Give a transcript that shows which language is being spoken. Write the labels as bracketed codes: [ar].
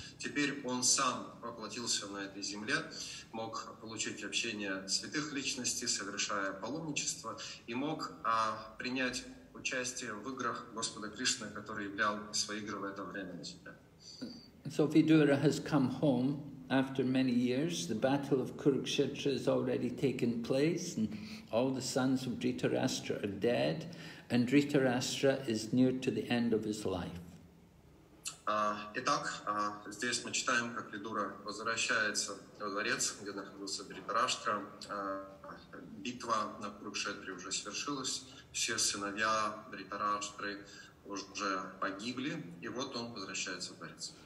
[ru] Теперь он сам воплотился на этой земле, мог получить общение святых личностей, совершая паломничество, и мог принять участие в играх Господа Кришны, который являл свои игры в это время на земле. [en] So Vidura has come home. After many years, the battle of Kurukshetra has already taken place, and all the sons of Dhritarashtra are dead, and Dhritarashtra is near to the end of his life. [ru] Итак, здесь мы читаем, как Видура возвращается во дворец, где находился Дхритараштра. Битва на Курукшетре уже свершилась, все сыновья Дхритараштры уже погибли, и вот он возвращается в дворец.